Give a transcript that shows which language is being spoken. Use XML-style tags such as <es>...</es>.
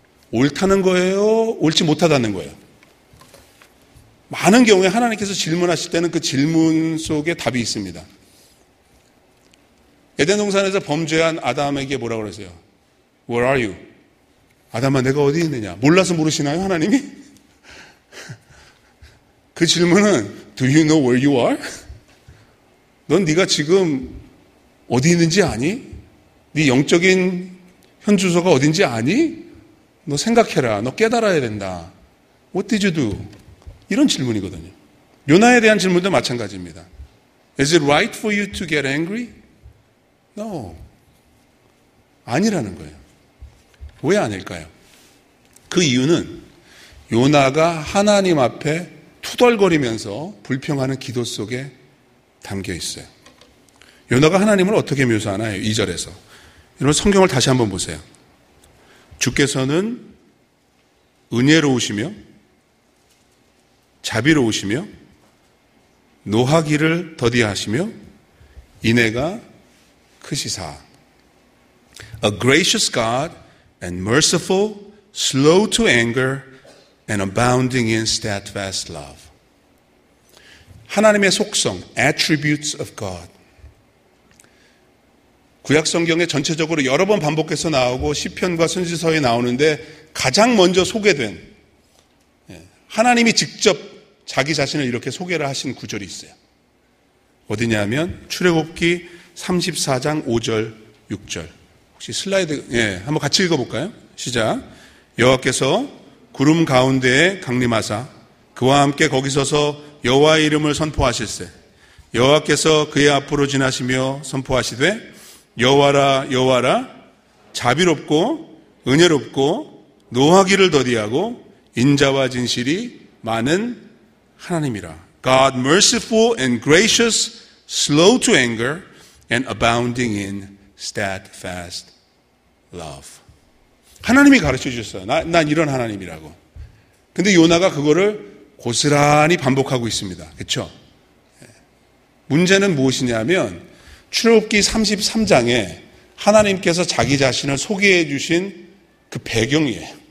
<ko>옳다는 거예요? 옳지 못하다는 거예요? 많은 경우에 하나님께서 질문하실 때는 그 질문 속에 답이 있습니다. 에덴 동산에서 범죄한 아담에게 뭐라고 그러세요?</ko> <en>Where are you?</en> <ko>아담아, 내가 어디 있느냐? 몰라서 물으시나요, 하나님이? 그 질문은</ko> <en>Do you know where you are?</en> <ko>넌 네가 지금 어디 있는지 아니? 네 영적인 현주소가 어딘지 아니? 너 생각해라. 너 깨달아야 된다.</ko> <en>What did you do?</en> <ko>이런 질문이거든요. 요나에 대한 질문도 마찬가지입니다.</ko> <en>Is it right for you to get angry? No.</en> <ko>아니라는 거예요. 왜 아닐까요? 그 이유는 요나가 하나님 앞에 투덜거리면서 불평하는 기도 속에 담겨 있어요. 요나가 하나님을 어떻게 묘사하나요? 2절에서. 여러분, 성경을 다시 한번 보세요. 주께서는 은혜로우시며 자비로우시며 노하기를 더디하시며 인애가 크시사.</ko> <en>A gracious God and merciful, slow to anger and abounding in steadfast love.</en> <ko>하나님의 속성,</ko> <en>attributes of God.</en> <ko>구약 성경에 전체적으로 여러 번 반복해서 나오고 시편과 선지서에 나오는데 가장 먼저 소개된 하나님이 직접 자기 자신을 이렇게 소개를 하신 구절이 있어요. 어디냐면 출애굽기 34장 5절 6절. 혹시 슬라이드 한번 같이 읽어볼까요? 시작. 여호와께서 구름 가운데에 강림하사 그와 함께 거기 서서 여호와의 이름을 선포하실세. 여호와께서 그의 앞으로 지나시며 선포하시되 여호와라 여호와라 자비롭고 은혜롭고 노하기를 더디하고 인자와 진실이 많은 하나님이라.</ko> <en>God merciful and gracious, slow to anger and abounding in steadfast love.</en> <ko>하나님이 가르쳐 주셨어요. 난 이런 하나님이라고. 근데 요나가 그거를 고스란히 반복하고 있습니다. 그렇죠? 문제는 무엇이냐면 출애굽기 33장에 하나님께서 자기 자신을 소개해 주신 그 배경이에요.</ko>